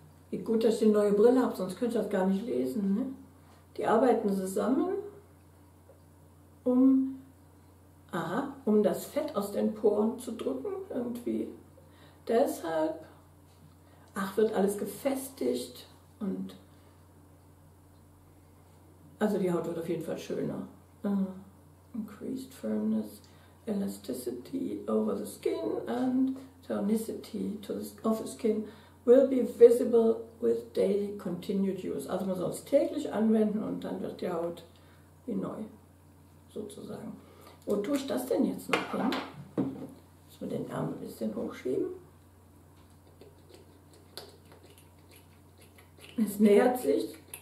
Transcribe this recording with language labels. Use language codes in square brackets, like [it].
[de] Wie gut, dass ich eine neue Brille habe, sonst könnte ich das gar nicht lesen. Ne? Die arbeiten zusammen, um das Fett aus den Poren zu drücken irgendwie. Deshalb wird alles gefestigt und also die Haut wird auf jeden Fall schöner. [en] Increased firmness, elasticity over the skin and tonicity of the skin will be visible with daily continued use. [de] Also man soll es täglich anwenden und dann wird die Haut wie neu sozusagen. Wo tue ich das denn jetzt noch hin? Müssen wir den Ärmel ein bisschen hochschieben. Es nähert sich.